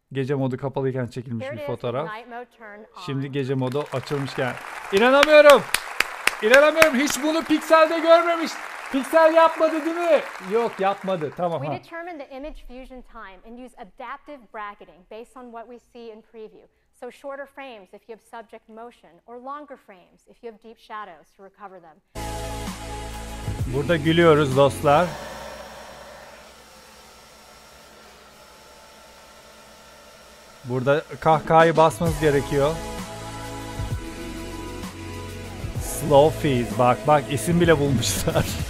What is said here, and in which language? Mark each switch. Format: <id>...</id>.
<tr>Gece modu kapalıyken çekilmiş bir fotoğraf. Şimdi gece modu açılmışken. İnanamıyorum. Hiç bunu pikselde görmemiş. Piksel yapmadı değil mi? Yok, yapmadı. Tamam.</tr> <en>We determine the image fusion time and use adaptive bracketing based on what we see in preview. So shorter frames if you have subject motion or longer frames if you have deep shadows to recover them.</en> <tr>Burada gülüyoruz dostlar. Burada kahkahayı basmanız gerekiyor. Slow Feed. Bak isim bile bulmuşlar.</tr>